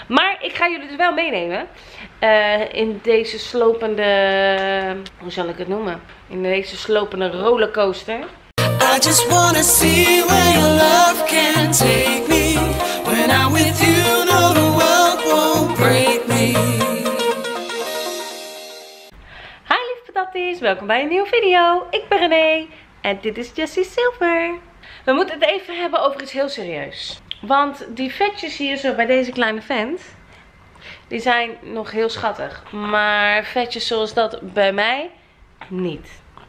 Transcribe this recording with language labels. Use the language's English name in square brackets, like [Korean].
[Dutch] Maar ik ga jullie dus wel meenemen in deze slopende, hoe zal ik het noemen? In deze slopende rollercoaster. [English] I just wanna see where your love can take me. When I'm with you, no, the world won't break me. [Dutch] Hi lieve patatties, welkom bij een nieuwe video. Ik ben René en dit is Jessie Silver. We moeten het even hebben over iets heel serieus. Want die vetjes hier zo bij deze kleine vent, die zijn nog heel schattig. Maar vetjes zoals dat bij mij, niet.